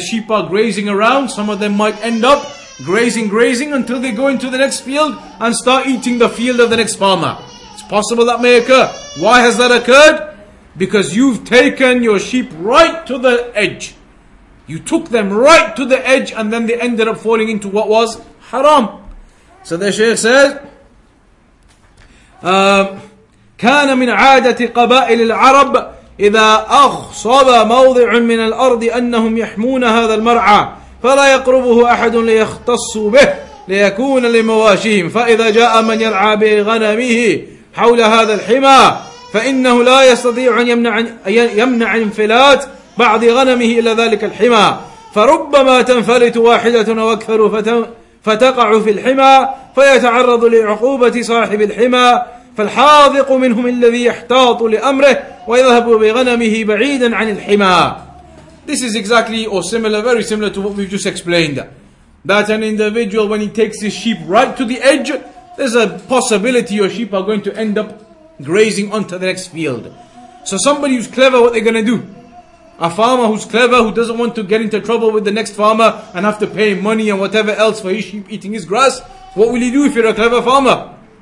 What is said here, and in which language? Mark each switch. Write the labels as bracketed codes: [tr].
[en] The sheep are grazing around. Some of them might end up grazing until they go into the next field and start eating the field of the next farmer. It's possible that may occur. Why has that occurred? Because you've taken your sheep right to the edge. You took them right to the edge and then they ended up falling into what was haram. So the Shaykh says, [ar] كان من عادة قبائل العرب إذا أخصب موضع من الأرض أنهم يحمون هذا المرعى فلا يقربه أحد ليختص به ليكون لمواشيهم فإذا جاء من يرعى بغنمه حول هذا الحمى فإنه لا يستطيع أن يمنع انفلات بعض غنمه إلى ذلك الحمى فربما تنفلت واحدة وأكثر فتقع في الحمى فيتعرض لعقوبة صاحب الحمى فالحاذق منهم الذي يحتاط لأمره ويذهب بغنمه بعيدا عن الحمى [en] This is exactly or similar, very similar to what we've just explained. That an individual, when he takes his sheep right to the edge, there's a possibility your sheep are going to end up grazing onto the next field. So somebody who's clever, what they're going to do? A farmer who's clever, who doesn't want to get into trouble with the next farmer and have to pay money and whatever else for his sheep eating his grass, what will he do if you're a clever farmer?